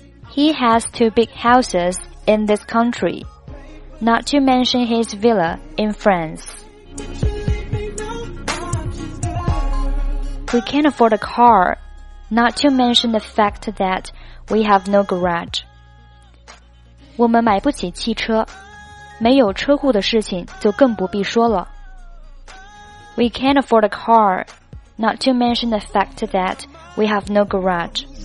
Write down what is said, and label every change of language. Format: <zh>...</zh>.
<en>He has two big houses in this country, not to mention his villa in France. We can't afford a car, not to mention the fact that we have no garage.</en> <zh>我们买不起汽车，没有车库的事情就更不必说了。</zh> <en>We can't afford a car,Not to mention the fact that we have no garage.</en>